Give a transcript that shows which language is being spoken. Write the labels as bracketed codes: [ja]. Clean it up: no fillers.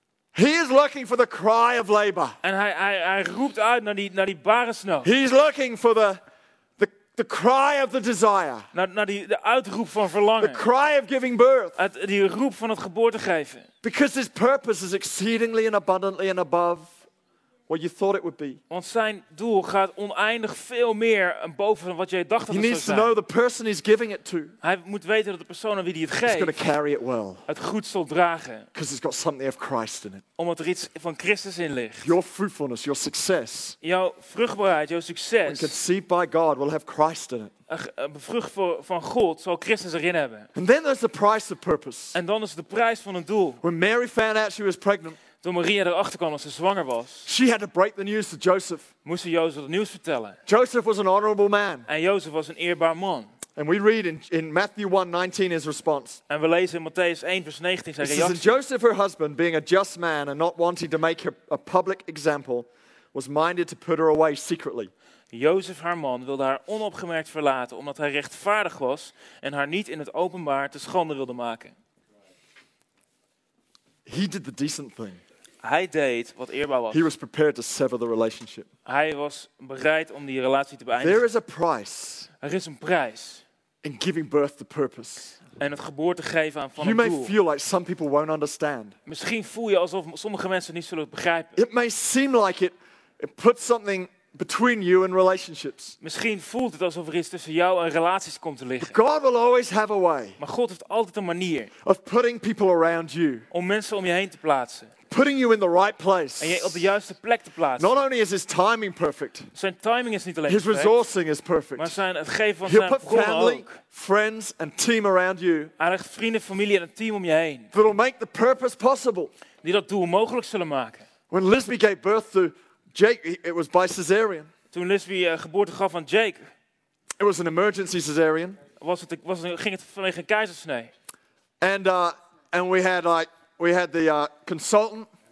[en] He is looking for the cry of labor. [nl] En hij roept uit naar die barensnood. [en] He's looking for the cry of the desire. [nl] Naar de uitroep van verlangen. [en] The cry of giving birth. [nl] Die roep van het geboorte geven. [en] Because his purpose is exceedingly and abundantly and above what you thought it would be. [nl] Want zijn doel gaat oneindig veel meer en boven wat jij dacht dat het zou zijn. [en] He needs to know the person he's giving it to. [nl] Hij moet weten dat de persoon aan wie hij het geeft. [en] He's going to carry it well. [nl] Het goed zal dragen. [en] Because it's got something of Christ in it. [nl] Omdat er iets van Christus in ligt. [en] Your fruitfulness, your success. [nl] Jouw vruchtbaarheid, jouw succes. [en] When conceived by God, will have Christ in it. [nl] Bevrucht van God zal Christus erin hebben. [en] And then there's the price of purpose. [nl] En dan is de prijs van een doel. [en] When Mary found out she was pregnant. [nl] Toen Maria erachter kwam dat ze zwanger was. [en] She had to break the news to Joseph. [nl] Moest ze Jozef het nieuws vertellen. [en] Joseph was an honorable man. [nl] En Jozef was een eerbaar man. [en] And we read in Matthew 1:19 his response. [nl] En we lezen in Matthäus 1 vers 19 zijn reactie. [en] It says, and Joseph, her husband, being a just man and not wanting to make her a public example, was minded to put her away secretly. [nl] Jozef, haar man, wilde haar onopgemerkt verlaten omdat hij rechtvaardig was en haar niet in het openbaar te schande wilde maken. [en] He did the decent thing. [nl] Hij deed wat eerbaar was. [en] He was prepared to sever the relationship. [nl] Hij was bereid om die relatie te beëindigen. [en] There is a price. [nl] Er is een prijs. [en] In giving birth to purpose. [nl] En het geboorte geven aan van [en] you [nl] een doel. [en] You may feel like some people won't understand. [nl] Misschien voel je alsof sommige mensen niet zullen begrijpen. [en] It may seem like it puts something between you and relationships. [nl] Misschien voelt het alsof er iets tussen jou en relaties komt te liggen. [en] But God will always have a way. [nl] Maar God heeft altijd een manier. [en] Of putting people around you. [nl] Om mensen om je heen te plaatsen. [en] Putting you in the right place. [nl] En je op de juiste plek te plaatsen. [en] Not only is his timing perfect. [nl] Zijn timing is niet alleen [en] his [nl] perfect. [en] His resourcing is perfect. [nl] Maar zijn het geven van [en] he'll [nl] zijn [en] put family, [nl] ook. [en] Friends and team around you. [nl] Hij legt vrienden, familie en een team om je heen. [en] That will make the purpose possible. [nl] Die dat doel mogelijk zullen maken. [en] When Lisby gave birth to Jake, it was by cesarean. [nl] Toen Lisby geboorte gaf aan Jake. [en] It was an emergency cesarean. [nl] Ging het vanwege een keizersnee. [en] And we had like we had the consultant